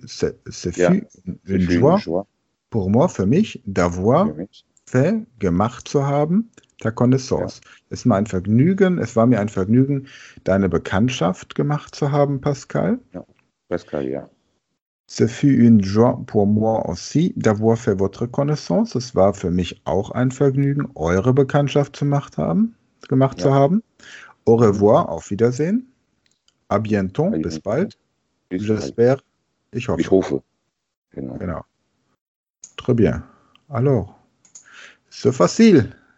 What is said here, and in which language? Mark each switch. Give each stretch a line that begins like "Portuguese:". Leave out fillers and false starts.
French: Es fut une joie pour moi,
German: für mich,
French: d'avoir fait,
German: gemacht zu haben,
French: ta connaissance.
German: Ja. Es war mir ein Vergnügen, deine Bekanntschaft gemacht zu haben, Pascal. Ja. Pascal, ja.
French: Ce fut une joie pour moi aussi d'avoir fait votre connaissance.
German: Es war für mich auch ein Vergnügen, eure Bekanntschaft gemacht zu haben.
French: Au revoir,
German: auf Wiedersehen.
French: A bientôt,
German: bis bald.
French: J'espère,
German: ich hoffe. Ich hoffe.
French: Genau. Très bien. Alors, c'est facile.